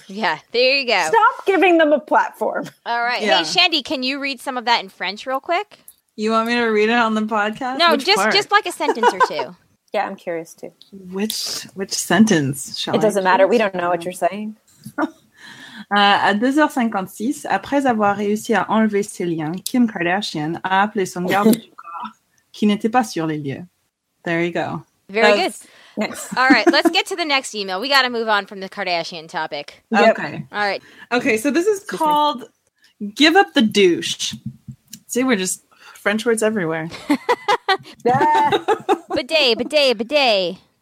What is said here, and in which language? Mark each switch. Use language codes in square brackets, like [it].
[en] Yeah, there you go. Stop giving them a platform. All right. Yeah. Hey, Shandy, can you read some of that in French real quick? You want me to read it on the podcast? No, just like a sentence or two. Yeah, I'm curious too. Which sentence shall I? It doesn't matter. We don't know what you're saying. [fr] À 2h56, après avoir réussi à enlever ses liens, Kim Kardashian a appelé son garde du corps qui n'était pas sur les lieux. [en] There you go. Very good. Next. All right, let's get to the next email. We got to move on from the Kardashian topic. Yep. Okay. All right. Okay, so this is called Give Up the Douche. See, we're just French words everywhere. Bidet, bidet, bidet.